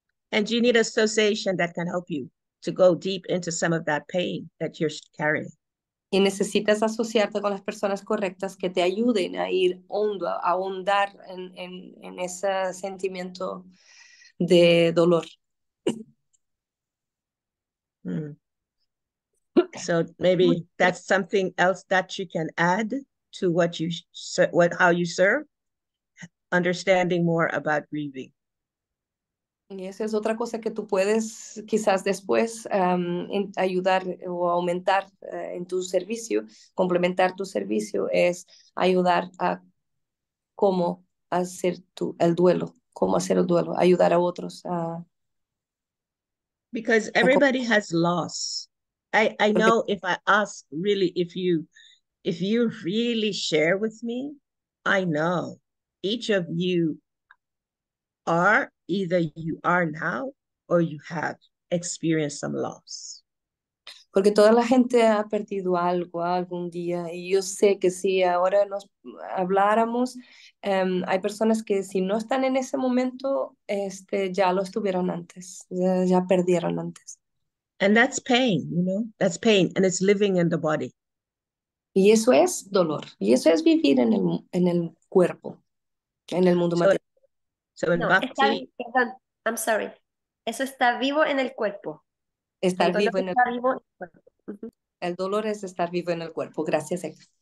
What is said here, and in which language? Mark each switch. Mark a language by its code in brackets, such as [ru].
[en] And you need association that can help you to go deep into some of that pain that you're carrying. [es] Y necesitas asociarte con las personas correctas que te ayuden a ir hondo, a ahondar en ese sentimiento de dolor. [en] So maybe that's something else that you can add to how you serve, understanding more about grieving. [es] Y esa es otra cosa que tú puedes quizás después ayudar o aumentar en tu servicio, complementar tu servicio, es ayudar a cómo hacer el duelo, cómo hacer el duelo, ayudar a otros. [en] Because everybody has loss. I know if I ask really, if you really share with me, I know each of you are, either you are now or you have experienced some loss. [es] Porque toda la gente ha perdido algo algún día y yo sé que si ahora nos habláramos, hay personas que si no están en ese momento, ya lo estuvieron antes, ya perdieron antes. [en] And that's pain, you know? That's pain, and it's living in the body. [es] Y eso es dolor. Y eso es vivir en el cuerpo, en el mundo material. [en] I'm sorry. [es] Eso está vivo en el cuerpo. Está vivo en el cuerpo. El dolor es estar vivo en el cuerpo. Gracias, Eva.